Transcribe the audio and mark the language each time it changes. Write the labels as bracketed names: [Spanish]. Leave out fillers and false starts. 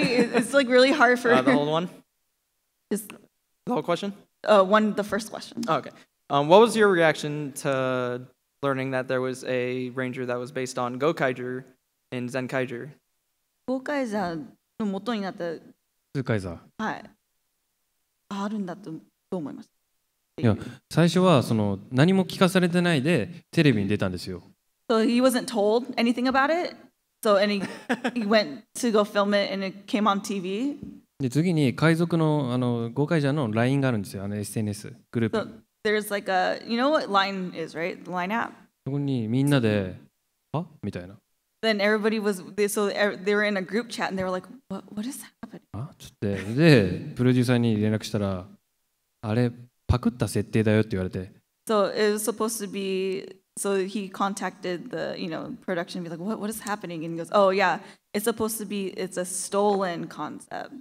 [English] It's like really hard for the whole one. Just the whole question. The first question. Oh, okay. What was your reaction to learning that there was a ranger that was based on Gokaiger in Zenkaiger? [Japanese] Gokaiger の元になった。ツーカイザー。はい。あるんだとどう思います。いや、最初はその何も聞かされてないでテレビに出たんですよ。 [English] So he wasn't told anything about it. So, and he went to go film it and it came on TV. [Japanese] で次に海賊のあの豪快じゃんの LINE があるんですよ、あの SNS グループ。 [English] So, there's like a, you know what LINE is, right? The LINE app? [Japanese] そこにみんなで、あ？みたいな。 [English] Then everybody was, they were in a group chat and they were like, what is happening? [Japanese] あ？つって、で、プロデューサーに連絡したら、あれ、パクった設定だよって言われて。 [English] So, it was supposed to be... So he contacted the, you know, production and be like, what is happening? And he goes, oh yeah, it's supposed to be, it's a stolen concept.